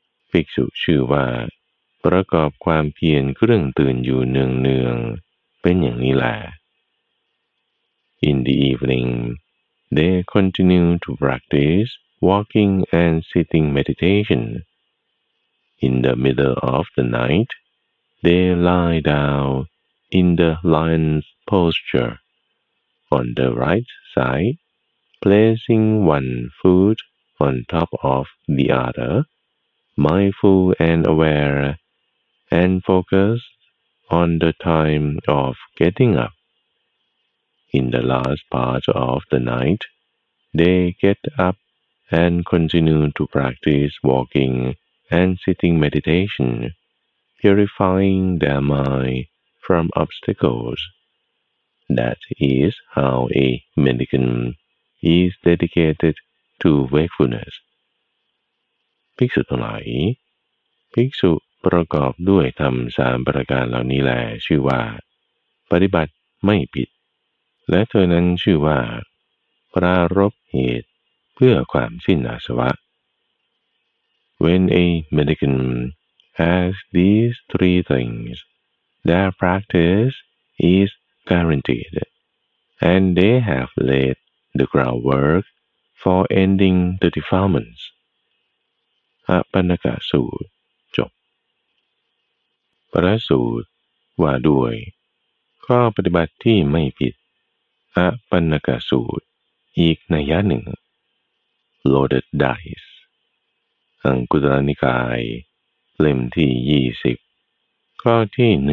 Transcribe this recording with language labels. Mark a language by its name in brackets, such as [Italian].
[Thai] ภิกษุชื่อว่าประกอบความเพียรเครื่องตื่นอยู่เนืองๆเป็นอย่างนี้แหละ [English] In the eveningThey continue to practice walking and sitting meditation. In the middle of the night, they lie down in the lion's posture, on the right side, placing one foot on top of the other, mindful and aware, and focused on the time of getting up. In the last part of the night, they get up and continue to practice walking and sitting meditation, purifying their mind from obstacles. That is how a mendicant is dedicated to wakefulness. [Thai] ภิกษุทั้งหลายภิกษุประกอบด้วยธรรมสามประการเหล่านี้แลชื่อว่าปฏิบัติไม่ผิดและเธอนั้นชื่อว่าปรารภเหตุเพื่อความสิ้นอาสวะ [English] When a mendicant has these three things, their practice is guaranteed, and they have laid the groundwork for ending the defilements. [Thai] อัปปนกสูตรจบพระสูตรว่าด้วยข้อปฏิบัติที่ไม่ผิดอัปปนกสูตรอีกนัยยะหนึ่ง [English] Loaded Dice [Thai] อังคุตระนิกายเล่มที่20ข้อที่